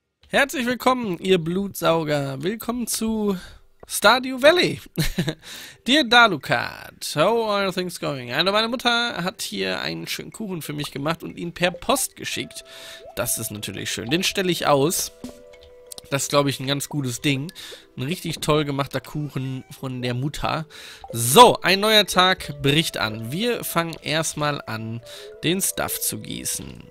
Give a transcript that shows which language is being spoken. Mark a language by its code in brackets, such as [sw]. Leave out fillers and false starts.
[de] Herzlich willkommen, ihr Blutsauger. Willkommen zu Stardew Valley. [en] Dear Dalukat, how are things going? [de] Eine meiner Mutter hat hier einen schönen Kuchen für mich gemacht und ihn per Post geschickt. Das ist natürlich schön. Den stelle ich aus. Das ist, glaube ich, ein ganz gutes Ding. Ein richtig toll gemachter Kuchen von der Mutter. So, ein neuer Tag bricht an. Wir fangen erstmal an, den Stuff zu gießen.